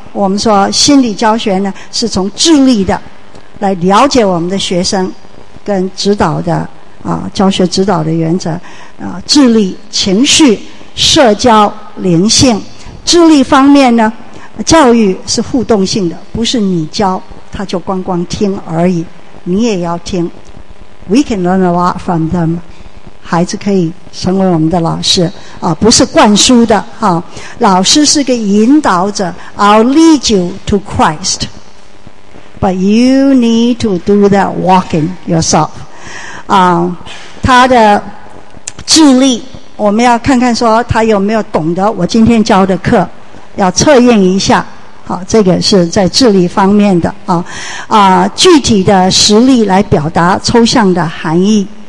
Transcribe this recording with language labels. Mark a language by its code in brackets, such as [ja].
[zh] 我们说心理教学呢，是从智力的来了解我们的学生跟指导的啊教学指导的原则啊，智力、情绪、社交、灵性。智力方面呢，教育是互动性的，不是你教他就光光听而已。你也要听 [en] We can learn a lot from them. [zh] 孩子可以成为我们的老师啊，不是灌输的啊。老师是个引导者 [en] I'll lead you to Christ. But you need to do that walking yourself. [zh] 啊，他的智力，我们要看看说他有没有懂得我今天教的课，要测验一下。好，这个是在智力方面的啊，啊，具体的实例来表达抽象的含义。